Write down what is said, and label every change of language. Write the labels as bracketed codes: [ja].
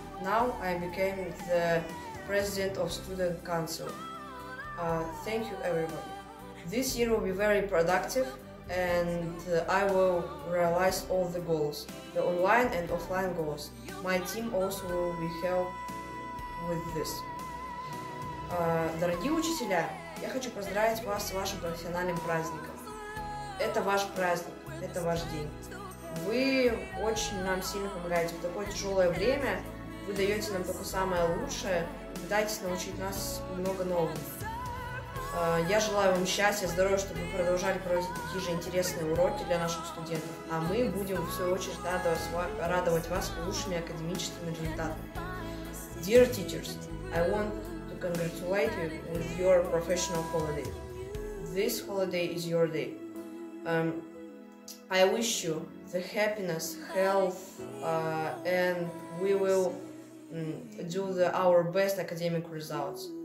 [en] Now I became the president of student council. Thank you everybody. This year will be very productive and I will realize all the goals, the online and offline goals. My team also will be help with this. [ru] Дорогие учителя, я хочу поздравить вас с вашим профессиональным праздником. Это ваш праздник, это ваш день. Вы очень нам сильно помогаете в такое тяжелое время. Вы даете нам только самое лучшее. Пытайтесь научить нас много нового. Я желаю вам счастья, здоровья, чтобы вы продолжали проводить такие же интересные уроки для наших студентов. А мы будем, в свою очередь, радовать вас лучшими академическими результатами. [en] Dear teachers, I want to congratulate you with your professional holiday. This holiday is your day. I wish you the happiness, health, and we will do our best academic results.